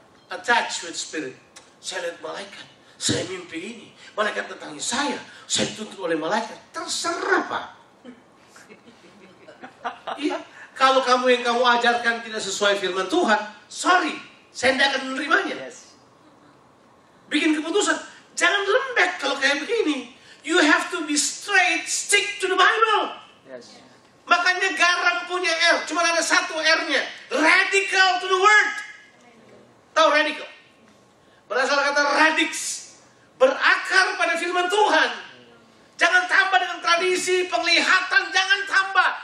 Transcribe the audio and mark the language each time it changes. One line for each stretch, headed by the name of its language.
English: Attached with spirit.
Indonesian: Saya lihat malaikat. Saya mimpi ini. Malaikat datangi saya. Saya dituntut oleh malaikat. Terserah, Pak. Iya. Kalau kamu yang kamu ajarkan tidak sesuai firman Tuhan, sorry, saya tidak akan menerimanya.
English: Yes.
Indonesian: Bikin keputusan, jangan lembek kalau kayak begini.
English: You have to be straight, stick to the Bible. Yes.
Indonesian: Makanya garam punya R, cuma ada satu R-nya.
English: Radical to the word.
Indonesian: Tahu radical? Berasal kata radix, berakar pada firman Tuhan. Jangan tambah dengan tradisi, penglihatan, jangan tambah.